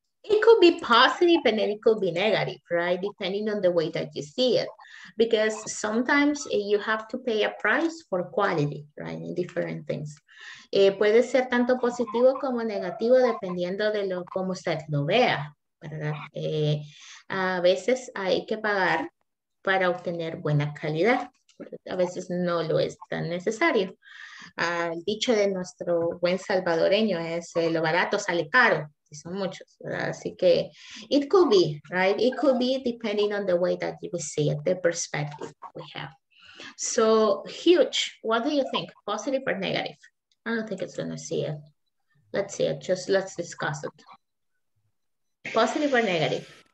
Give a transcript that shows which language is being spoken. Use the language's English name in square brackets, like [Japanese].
[English] It could be positive and then it could be negative, right? Depending on the way that you see it. Because sometimes you have to pay a price for quality, right? In different things. [Spanish] Puede ser tanto positivo como negativo dependiendo de lo como usted lo vea, ¿verdad? A veces hay que pagar para obtener buena calidad. A veces no lo es tan necesario. El dicho de nuestro buen salvadoreño es lo barato sale caro. Y son muchos, ¿verdad? Así que [English] it could be, right? It could be depending on the way that you see it, the perspective we have. So huge, what do you think? Positive or negative? I don't think it's gonna see it. Let's see it, just let's discuss it. Positive or negative?